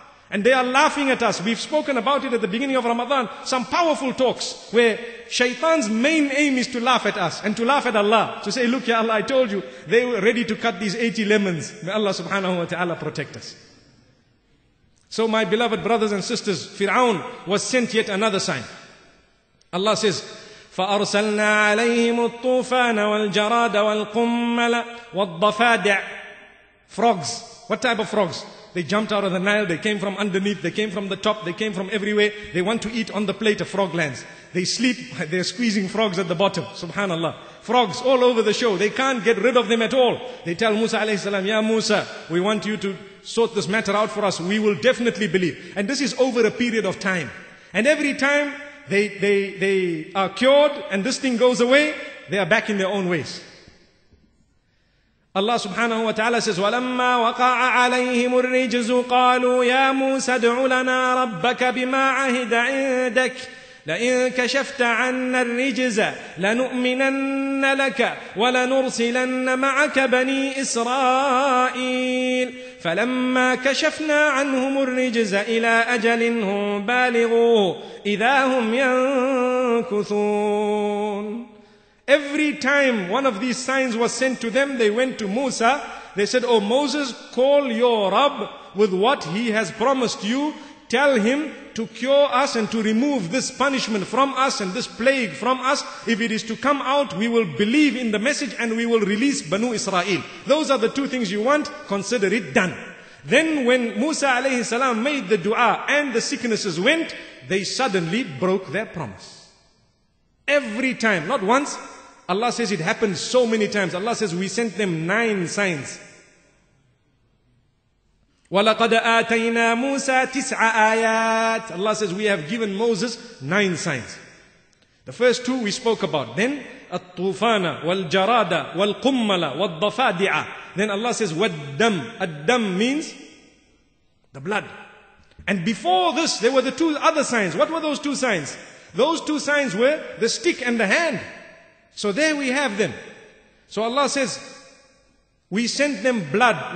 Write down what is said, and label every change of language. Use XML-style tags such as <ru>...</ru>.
<en>And they are laughing at us. We've spoken about it at the beginning of Ramadan, some powerful talks, where shaitan's main aim is to laugh at us, and to laugh at Allah, to say, look, ya Allah, I told you, they were ready to cut these 80 lemons. May Allah subhanahu wa ta'ala protect us. So my beloved brothers and sisters, Fir'aun was sent yet another sign.</en> <ar>Allah says, فَأَرْسَلْنَا عَلَيْهِمُ الطُّوفَانَ وَالْجَرَادَ وَالْقُمَّلَ وَالضَّفَادِعَ.</ar> <en>Frogs. What type of frogs? They jumped out of the Nile, they came from underneath, they came from the top, they came from everywhere. They want to eat on the plate of frog lands. They sleep, they're squeezing frogs at the bottom. Subhanallah. Frogs all over the show. They can't get rid of them at all. They tell Musa alayhi salam, ya Musa, we want you to sort this matter out for us. We will definitely believe. And this is over a period of time. And every time, They are cured and this thing goes away, they are back in their own ways.</en> <ar>Allah subhanahu wa ta'ala says, وَلَمَّا وَقَعَ عَلَيْهِمُ الرِّجْزُ قَالُوا يَا مُوسَى ادْعُ لَنَا رَبَّكَ بِمَا عَهِدَ عِنْدَكَ لَئِن كَشَفْتَ عَنَّا الرِّجْزَ لَنُؤْمِنَنَّ لَكَ وَلَنُرْسِلَنَّ مَعَكَ بَنِي إِسْرَائِيلَ فَلَمَّا كَشَفْنَا عَنْهُمُ الرِّجْزَ إِلَىٰ أَجَلٍ هُمْ بَالِغُوهُ إِذَا هُمْ يَنْكُثُونَ.</ar> <en>Every time one of these signs was sent to them, they went to Musa. They said, oh Moses, call your Rabb with what he has promised you. Tell him to cure us and to remove this punishment from us and this plague from us. If it is to come out, we will believe in the message and we will release Banu Israel. Those are the two things you want. Consider it done. Then when Musa alayhi salam made the dua and the sicknesses went, they suddenly broke their promise. Every time, not once. Allah says it happened so many times. Allah says we sent them 9 signs.</en> <ar>وَلَقَدْ آتَيْنَا مُوسَى تِسْعَ آيَاتٍ</ar> <en>Allah says, we have given Moses 9 signs. The first two we spoke about. Then,</en> <ar>الطوفانة والجرادة والقملة والضفادعة.</ar> <en>Then Allah says, والدم. الدم means the blood. And before this, there were the two other signs. What were those two signs? Those two signs were the stick and the hand. So there we have them. So Allah says, we sent them blood.</en>